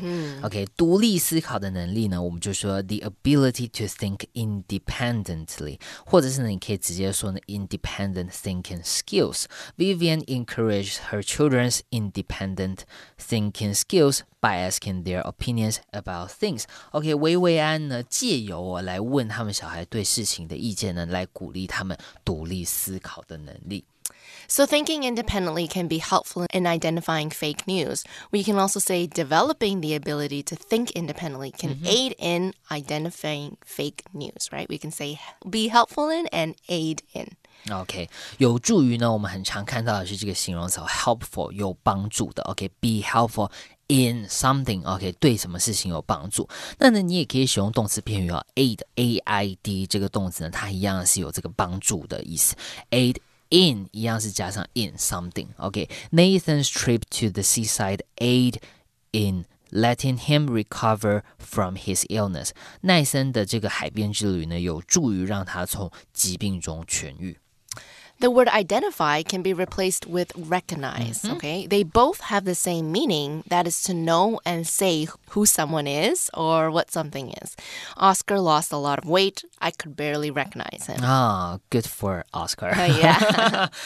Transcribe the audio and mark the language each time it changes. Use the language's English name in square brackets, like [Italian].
[Chinese] Mm-hmm. Okay, 独立思考的能力呢，我们就说 [English] the ability to think independently, [Chinese] 或者是你可以直接说呢 [English] independent thinking skills. Vivian encouraged her children's independent thinking skills by asking their opinions about things. [Chinese] Okay, 薇薇安呢，借由我来问他们小孩对事情的意见呢，来鼓励他们独立思考的能力。 [English] So thinking independently can be helpful in identifying fake news. We can also say developing the ability to think independently can aid in identifying fake news, right? We can say be helpful in and aid in. [Chinese] Okay, 有助于呢，我们很常看到的是这个形容词 helpful, 有帮助的。 Okay, [English] be helpful in something, [Chinese] okay, 对什么事情有帮助。那呢，你也可以使用动词片语哦 aid, A-I-D, 这个动词呢，它一样是有这个帮助的意思。 [English] Aid,In, [Chinese] 一样是加上 [English] in something. Okay, Nathan's trip to the seaside aid in letting him recover from his illness. [Chinese] 奈森的这个海边之旅呢，有助于让他从疾病中痊愈。 [English] The word identify can be replaced with recognize, okay? They both have the same meaning, that is to know and say who someone is or what something is. Oscar lost a lot of weight. I could barely recognize him. Ah, good for Oscar. Yeah.